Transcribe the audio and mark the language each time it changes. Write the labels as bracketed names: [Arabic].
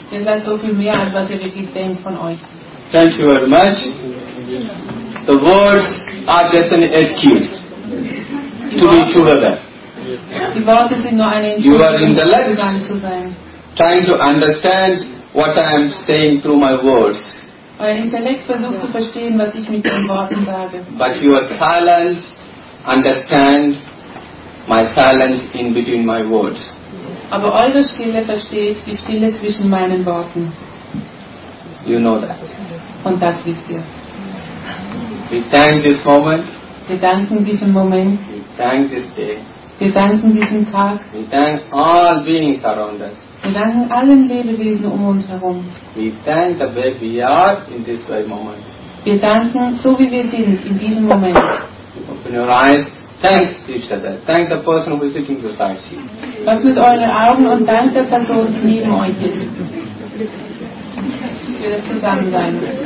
[English] Thank you very much. The words are just an excuse to be together. You are in the left trying to understand what I am saying through my words. [German] Euer Intellekt versucht zu verstehen, was ich mit den Worten sage. [English] But your silence understand my silence in between my words. [German] Aber eure Stille versteht die Stille zwischen meinen Worten. [English] You know that. [German] Und das wisst ihr. [English] We thank this moment. [German] Wir danken diesem Moment. [English] We thank this day. [German] Wir danken diesem Tag. [English] We thank all beings around us. [German] Wir danken allen Lebewesen um uns herum. [English] We thank the way we are in this very moment. [German] Wir danken so wie wir sind in diesem Moment. [English] Open your eyes. Thank each other. Thank the person who is sitting beside you. [German] Öffnet eure Augen und dankt der Person, die neben euch ist. Für das Zusammensein.